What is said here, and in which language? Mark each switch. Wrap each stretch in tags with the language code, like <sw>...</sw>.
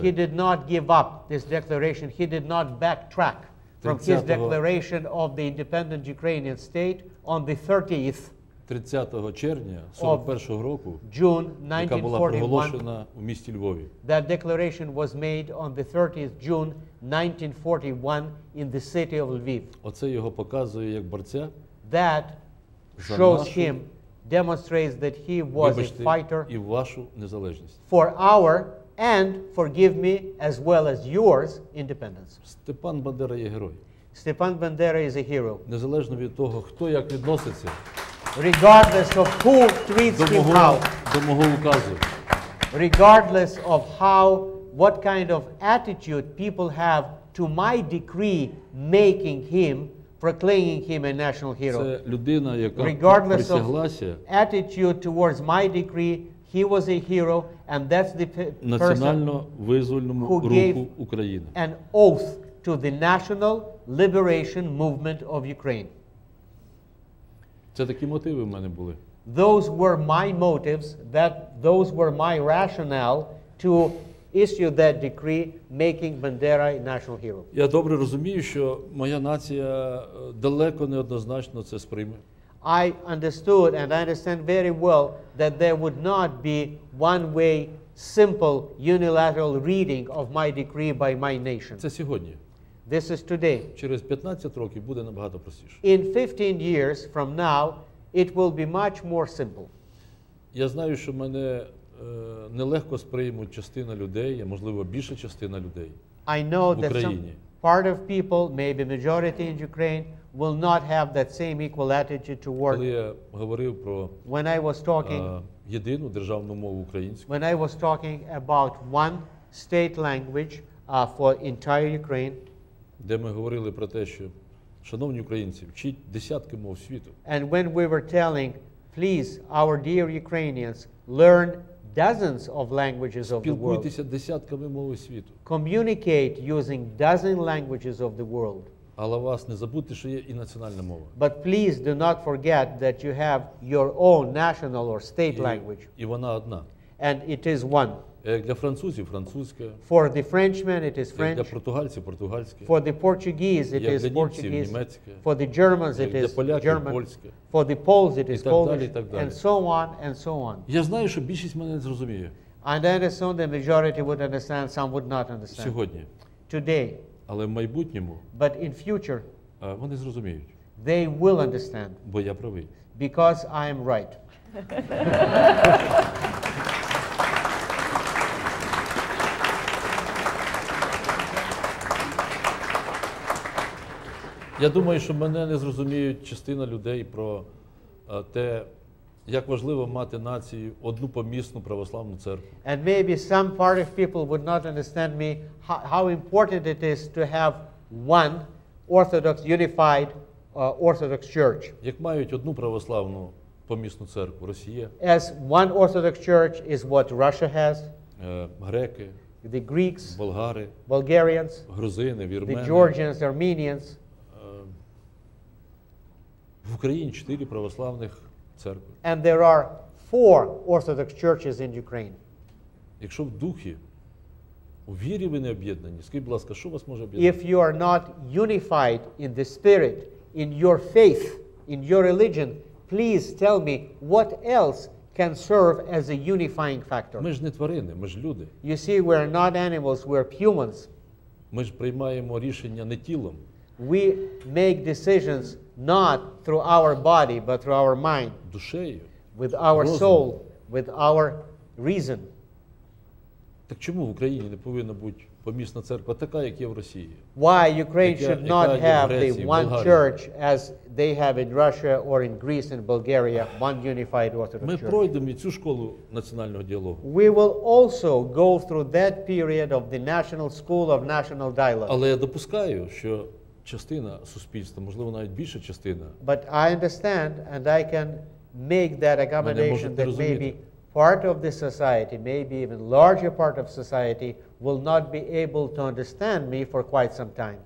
<en>He did not give up this declaration. He did not backtrack from his declaration of the independent Ukrainian state on the 30th</en> <uk>30 червня 41-го року,</uk> <en>June</en> <uk>1941, яка була проголошена у місті Львові.</uk> <en>That declaration was made on the 30th June 1941 in the city of Lviv.</en> <uk>Оце його показує як борця.</uk> <en>That shows him, demonstrates that he was a fighter for our and, forgive me, as well as yours, independence.</en> <uk>Степан Бандера є герой.</uk> <en>Степан Бандера is a hero.</en> <uk>Незалежно від того, хто як відноситься.</uk> <en>Regardless of who treats him how.</en> <uk>До мого указу.</uk> <en>Regardless of how, what kind of attitude people have to my decree making him, proclaiming him a national hero.</en> <uk>Це людина, яка</uk> <en>Regardless</en> <uk>присяглася,</uk> <en>of attitude towards my decree, he was a hero, and that's the</en> <uk>національно-визвольному</uk> <en>who</en> <uk>руху України.</uk> <en>An oath to the national liberation movement of Ukraine.</en> <uk>Це такі мотиви в мене були.</uk> <en>Those were my motives, those were my rationale to issue that decree, making Bandera a national hero.</en> <uk>Я добре розумію, що моя нація далеко неоднозначно це сприйме.</uk> <en>I understood and I understand very well that there would not be one way, simple, unilateral reading of my decree by my nation.</en> <uk>Це сьогодні.</uk> <en>This is today.</en> <uk>Через 15 років буде набагато простіше.</uk> <en>In 15 years from now, it will be much more simple.</en> <uk>Я знаю, що мене нелегко сприймуть частина людей, а можливо більша частина людей</uk> <en>I know</en> <uk>в Україні.</uk> <en>Some part of people, maybe majority in Ukraine, will not have that same equal attitude toward.</en> <uk>Коли я говорив про</uk> <en>when I was talking,</en> <uk>єдину державну мову українську.</uk> <en>When I was talking about one state language for entire Ukraine.</en> <uk>Де ми говорили про те, що шановні українці, вчіть десятки мов світу.</uk> <en>And when we were telling, please, our dear Ukrainians, learn dozens of languages of the world.</en> <uk>Спілкуйтеся десятками мов світу.</uk> <en>Communicate using dozen languages of the world.</en> <uk>Але вас не забудьте, що є і національна мова.</uk> <en>But please do not forget that you have your own national or state language.</en> <uk>І вона одна.</uk> <en>And it is one.</en> <uk>Для французів французьке.</uk> <en>For the Frenchman it is French.</en> <uk>Для португальців португальське.</uk> <en>For the Portuguese it is Portuguese.</en> <uk>Німецьке.</uk> <en>For the Germans it is German.</en> <uk>Польське.</uk> <en>For the Poles it is Polish.</en> <uk>І так далі.</uk> <en>And so on and so on.</en> <uk>Я знаю, що більшість мене не зрозуміє.</uk> <en>And I assume the majority would understand, some would not understand.</en> <uk>Сьогодні.</uk> <en>Today.</en> <uk>Але в майбутньому.</uk> <en>But in future.</en> <uk>Вони зрозуміють.</uk> <en>They will understand.</en> <uk>Бо я правий.</uk> <en>Because I am right.</en> <uk>Я думаю, що мене не зрозуміють частина людей про те, як важливо мати націю, одну помісну православну церкву.</uk> <en>And maybe some part of people would not understand me how important it is to have one orthodox unified orthodox church.</en> <uk>Як мають одну православну помісну церкву Росія?</uk> <en>As one orthodox church is what Russia has.</en> <uk>Греки,</uk> <en>the Greeks,</en> <uk>болгари,</uk> <en>Bulgarians,</en> <uk>грузини, вірмени,</uk> <en>the Georgians, Armenians.</en> <uk>В Україні 4 православних церкви.</uk> <en>And there are 4 orthodox churches in Ukraine.</en> <uk>Якщо в духі, у вірі ви не об'єднані, скажіть, будь ласка, що вас може об'єднати?</uk> <en>If you are not unified in the spirit, in your faith, in your religion, please tell me what else can serve as a unifying factor.</en> <uk>Ми ж не тварини, ми ж люди.</uk> <en>You see, we are not animals, we are humans.</en> <uk>Ми ж приймаємо рішення не тілом.</uk> <en>We make decisions not through our body, but through our mind.</en> <uk>Душею.</uk> <en>With our soul, with our reason.</en> <uk>Так чому в Україні не повинна бути помісна церква така, як є в Росії?</uk> <en>Why Ukraine should not have the one church as they have in Russia or in Greece and Bulgaria, one unified Orthodox Church?</en> <uk>Ми пройдемо цю школу національного діалогу.</uk> <en>We will also go through that period of the national school of national dialogue.</en> <uk>Але я допускаю, що частина суспільства, можливо, навіть більша частина.</uk> <en>But I understand and I can make that accommodation that maybe part of the society, maybe even larger part of society will not be able to understand me for quite some time.</en>